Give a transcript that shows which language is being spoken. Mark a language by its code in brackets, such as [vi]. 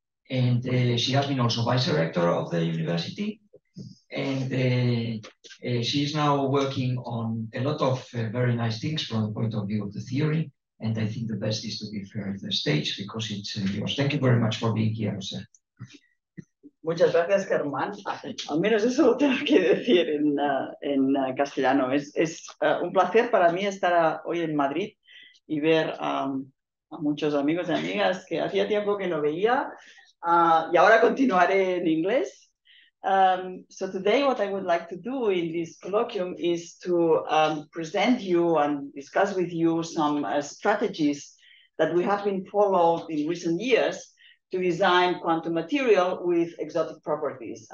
[en] And she has been also vice rector of the university. And she is now working on a lot of very nice things from the point of view of the theory. And I think the best is to be fair at the stage because it's yours. Thank you very much for being here, José. [es] Muchas gracias, Germán. Al menos eso lo tengo que decir en castellano. Es un placer para mí estar hoy en Madrid y ver a muchos amigos y amigas que hacía tiempo que no veía. Y ahora continuaré en inglés. [en] So today what I would like to do in this colloquium is to present you and discuss with you some strategies that we have been followed in recent years to design quantum material with exotic properties.